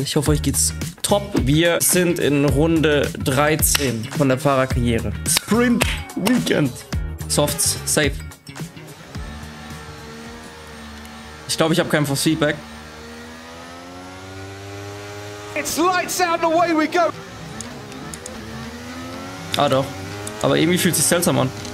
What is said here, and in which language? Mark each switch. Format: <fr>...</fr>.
<de>Ich hoffe, euch geht's top. Wir sind in Runde 13 von der Fahrerkarriere. Sprint Weekend. Softs, safe. Ich glaube, ich habe kein Force Feedback.</de> <en>It's lights out and away we go.</en> <de>Ah, doch. Aber irgendwie fühlt sich seltsam an.</de>